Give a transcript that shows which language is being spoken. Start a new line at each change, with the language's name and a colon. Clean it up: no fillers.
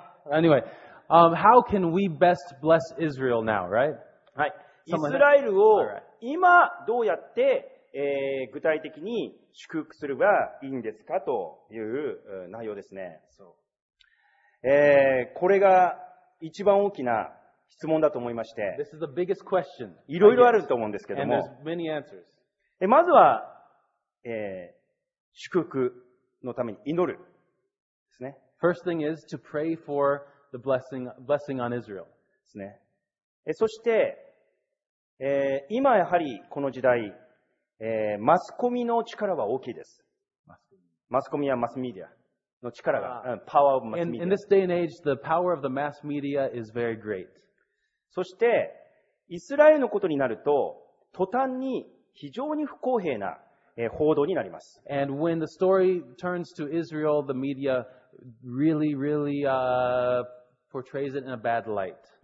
English: Anyway, how can we best bless Israel now, right?
Japanese: はい。イスラエルを今どうやって、具体的に祝福すればいいんですかという内容ですね。そう。これが一番大きな質問だと思いまして、
English: This is the biggest question,
Japanese: いろいろあると思うんですけども、
English: And there's many answers.
Japanese: まずは、祝福のために祈るですね。
English: First thing is to pray for the blessing on Israel.
Japanese: ですね。そして、今やはりこの時代、マスコミの力は大きいです。マスコミやマスメディア。の力が、
English: power of mass media. In this day and age, the power of the mass media is very great.
Japanese: そして、イスラエルのことになると、途端に非常に不公平な、報道になります。
English: And when the story turns to Israel, the media really, really, portrays it in a bad light.